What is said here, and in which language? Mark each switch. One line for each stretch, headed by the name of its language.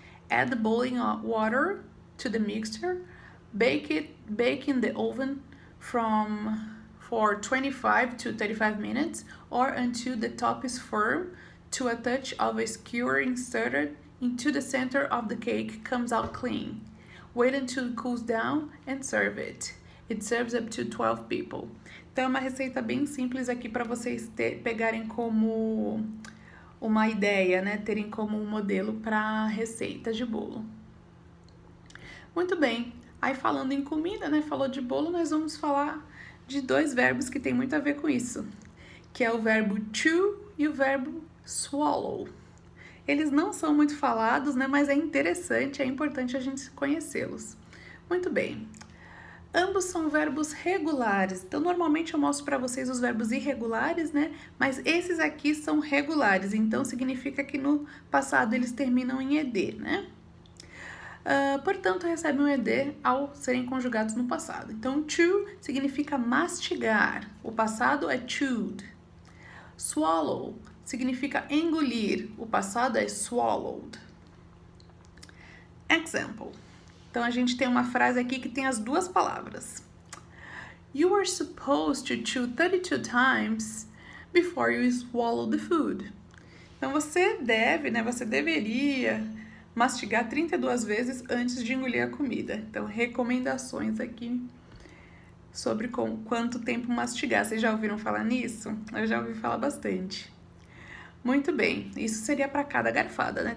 English: Add the boiling water to the mixture. Bake in the oven for 25 to 35 minutes, or until the top is firm, to a touch of a skewer inserted into the center of the cake comes out clean. Wait until it cools down and serve it. It serves up to 12 people.
Portuguese: Então é uma receita bem simples aqui para vocês pegarem como uma ideia, né? Terem como um modelo para receita de bolo. Muito bem. Aí falando em comida, né? Falou de bolo, nós vamos falar de dois verbos que tem muito a ver com isso, que é o verbo chew e o verbo swallow. Eles não são muito falados, né? Mas é interessante, é importante a gente conhecê-los. Muito bem. Ambos são verbos regulares. Então, normalmente eu mostro para vocês os verbos irregulares, né? Mas esses aqui são regulares. Então, significa que no passado eles terminam em ED, né? Portanto, recebe um ED ao serem conjugados no passado. Então, chew significa mastigar. O passado é chewed. Swallow significa engolir. O passado é swallowed. Example. Então, a gente tem uma frase aqui que tem as duas palavras.
English: You are supposed to chew 32 times before you swallow the food.
Portuguese: Então, você deve, né? Você deveria mastigar 32 vezes antes de engolir a comida. Então, recomendações aqui sobre quanto tempo mastigar. Vocês já ouviram falar nisso? Eu já ouvi falar bastante. Muito bem, isso seria para cada garfada, né?